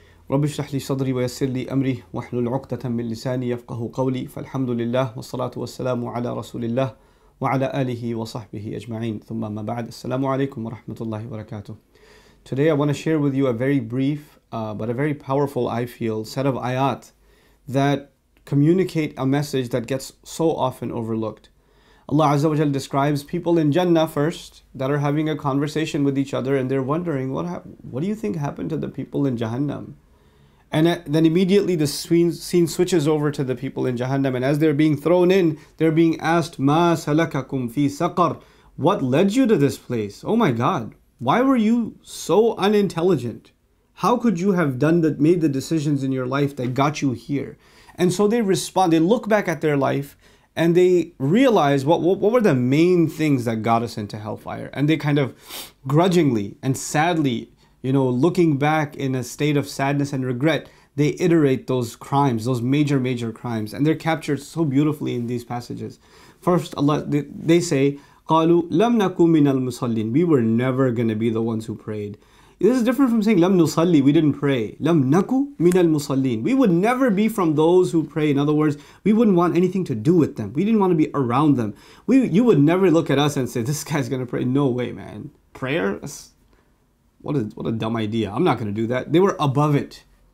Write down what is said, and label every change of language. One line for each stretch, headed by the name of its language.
Arabic: رب اشرح لي صدري ويسر لي أمري واحلل عقدة من لساني يفقه قولي. فالحمد لله والصلاة والسلام على رسول الله وعلى آله وصحبه أجمعين. ثم ما بعد, السلام عليكم ورحمة الله وبركاته.
English: Today I want to share with you a very brief but a very powerful, I feel, set of ayat that communicate a message that gets so often overlooked. Allah Azza wa Jalla describes people in Jannah first that are having a conversation with each other, and they're wondering, what do you think happened to the people in Jahannam? And then immediately the scene switches over to the people in Jahannam, and as they're being thrown in, they're being asked,
Arabic: مَا سَلَكَكُمْ فِي سَقَرْ?
English: What led you to this place? Oh my God, why were you so unintelligent? How could you have made the decisions in your life that got you here? And so they respond, they look back at their life, and they realize what were the main things that got us into hellfire. And they kind of grudgingly and sadly, you know, looking back in a state of sadness and regret, they iterate those crimes, those major crimes. And they're captured so beautifully in these passages. First, Allah, they say,
Arabic: قَالُوا لَمْ نَكُمْ مِنَ الْمُصَلِّينَ.
English: We were never going to be the ones who prayed. This is different from saying,
Arabic: لَمْ نُصَلِّ,
English: we didn't pray.
Arabic: لَمْ نَكُ مِنَ الْمُصَلِّينَ.
English: We would never be from those who pray. In other words, we wouldn't want anything to do with them. We didn't want to be around them. You would never look at us and say, this guy's going to pray. No way, man. Prayer? What a dumb idea. I'm not going to do that. They were above it.